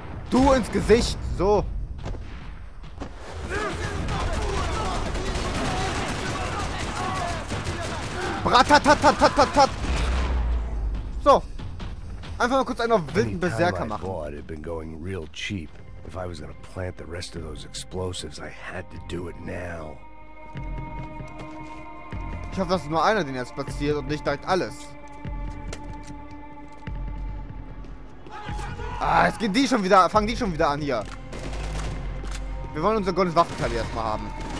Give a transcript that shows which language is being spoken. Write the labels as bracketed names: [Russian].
[German] Du ins Gesicht. So. Bratatatatatatat. So. Einfach mal kurz einen auf wilden Berserker machen. [English] Bought, it'd been going real cheap. If I was gonna plant the rest of those explosives, I had to do it now. [German] Ich hoffe, das ist nur einer, den jetzt platziert und nicht direkt alles. Ah, jetzt gehen die schon wieder, fangen die schon wieder an hier. Wir wollen unser goldenes Waffenteil erstmal haben.